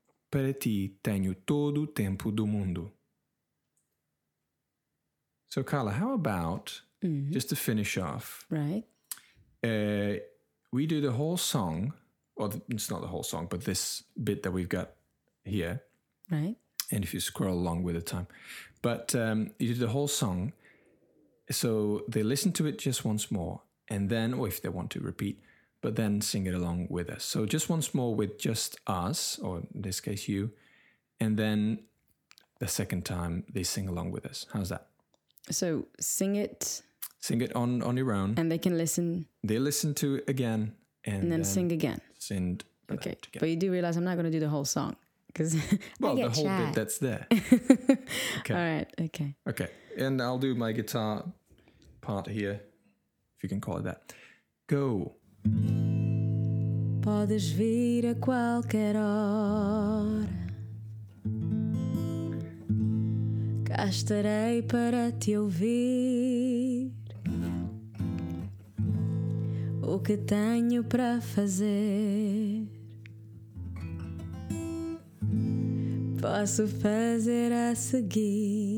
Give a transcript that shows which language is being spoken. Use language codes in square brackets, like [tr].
[pt] Para ti, tenho todo o tempo do mundo. [en] So, Carla, how about, just to finish off... Right. We do the whole song, it's not the whole song, but this bit that we've got here. Right. And if you scroll along with the time. But you do the whole song, so they listen to it just once more, and then, or if they want to repeat... But then sing it along with us. So just once more with just us, or in this case you, and then the second time they sing along with us. How's that? So sing it. Sing it on your own. And they can listen. They listen to it again. And then sing again. Sing. Okay. But you do realize I'm not going to do the whole song. Because Well, I get the whole chat. Bit that's there. Okay. All right. Okay. Okay. And I'll do my guitar part here, if you can call it that. Go. [pt] Podes vir a qualquer hora, cá estarei para te ouvir. O que tenho para fazer, posso fazer a seguir.